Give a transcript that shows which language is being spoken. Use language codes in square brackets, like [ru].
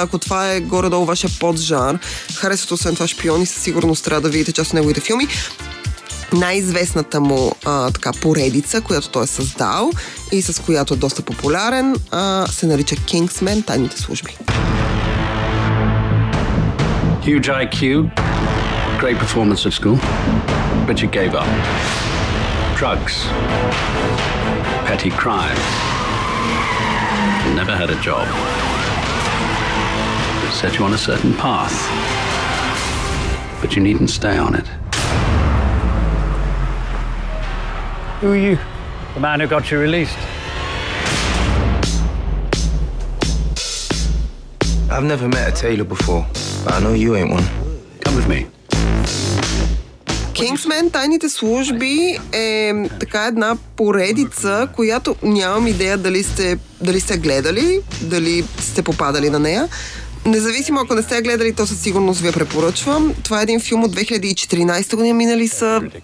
[bg] Ако това е горе-долу вашия поджанр, харесват освен това шпиони, със сигурност трябва да видите част от неговите филми. Най-известната му така поредица, която той е създал и с която е доста популярен, се нарича Kingsman, Тайните служби. [en] Huge IQ, great performance at school, but you gave up. Drugs, petty crime, never had a job. It set you on a certain path, but you needn't stay on it. Who are you? The man who got you released. I've never met a tailor before. But I know you ain't one. Come with me. [bg] Kingsman, Тайните служби е така една поредица, която нямам идея дали сте гледали, дали сте попадали на нея. Независимо ако не сте гледали, то със сигурност ви я препоръчвам. Това е един филм от 2014 година, минали са